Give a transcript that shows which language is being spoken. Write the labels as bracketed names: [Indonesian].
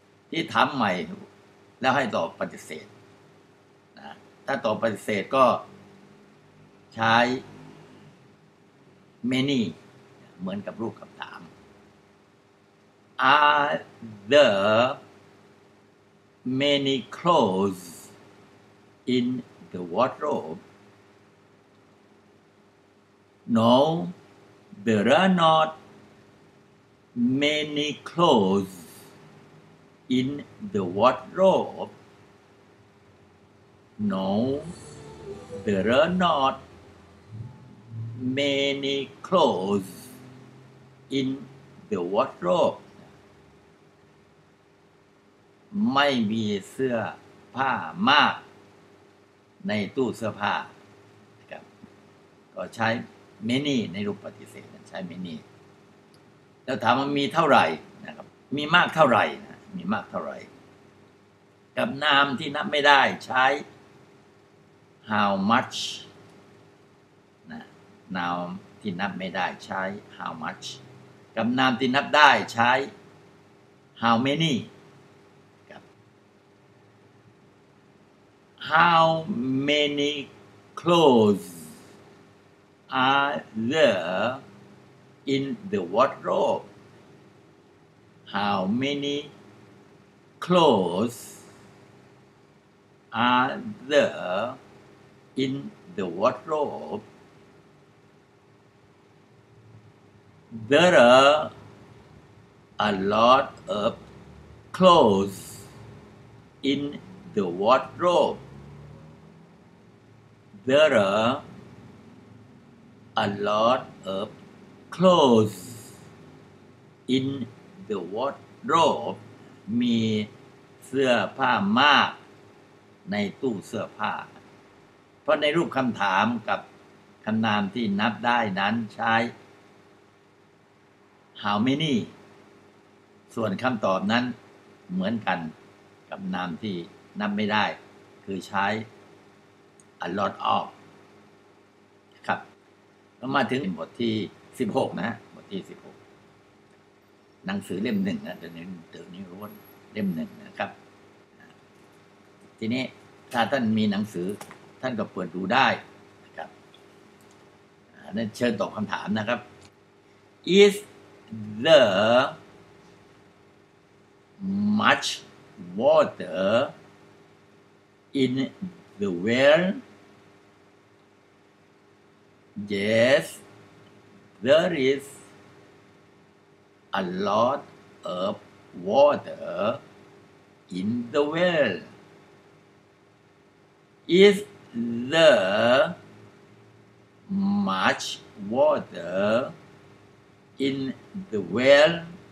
[Thai] ที่ถามใหม่แล้วให้ตอบปฏิเสธนะถ้าตอบปฏิเสธก็ใช้ many เหมือนกับรูปคำถาม [English] are there many clothesIn the wardrobe? No, there are not many clothes in the wardrobe. No, there are not many clothes in the wardrobe. [Thai] ไม่มีเสื้อผ้ามากในตู้เสื้อผ้านะครับก็ใช้ many ในรูปปฏิเสธใช้ many แล้วถามว่ามีเท่าไหร่นะครับมีมากเท่าไหร่นะมีมากเท่าไหร่กับนามที่นับไม่ได้ใช้ how much นะนามที่นับไม่ได้ใช้ how much กับนามที่นับได้ใช้ [English] how manyHow many clothes are there in the wardrobe? How many clothes are there in the wardrobe? There are a lot of clothes in the wardrobe. There are a lot of clothes in the wardrobe. [Thai] มีเสื้อผ้ามากในตู้เสื้อผ้าเพราะในรูปคำถามกับคำนามที่นับได้นั้นใช้ how many ส่วนคำตอบนั้นเหมือนกันกับนามที่นับไม่ได้คือใช้a lot of ครับเรามาถึงบทที่16นะบทที่16หนังสือเล่ม1นะเดี๋ยวนี้รู้ว่าเล่ม1นะครับ ทีนี้ถ้าท่านมีหนังสือท่านก็เปิดดูได้นะครับนั้นเชิญตอบคำถามนะครับ [English] Is there much water in the well? Yes, there is a lot of water in the well. Is there much water in the well?